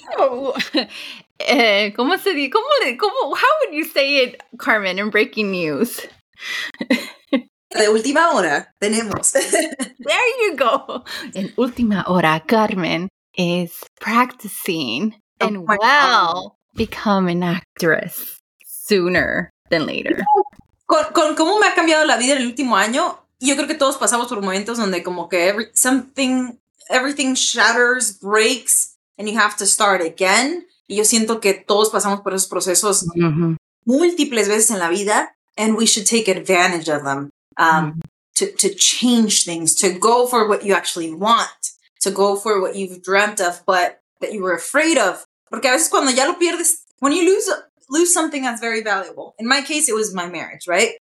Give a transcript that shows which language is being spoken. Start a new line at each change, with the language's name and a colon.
English: Oh, yeah. ¿Cómo how would you say it, Carmen, in breaking news?
Spanish: De última hora, tenemos.
English: There you go.
Spanish: En última hora,
English: Carmen is practicing and will become an actress sooner than later.
Spanish: Con cómo me ha cambiado la vida en el último año, yo creo que todos pasamos por momentos donde como que
English: everything shatters, breaks. And you have to start again.
Spanish: Y yo siento que todos pasamos por esos procesos múltiples veces en la vida.
English: And we should take advantage of them to change things, to go for what you actually want, to go for what you've dreamt of, but that you were afraid of.
Spanish: Porque a veces cuando ya lo pierdes,
English: when you lose something that's very valuable, in my case, it was my marriage, right?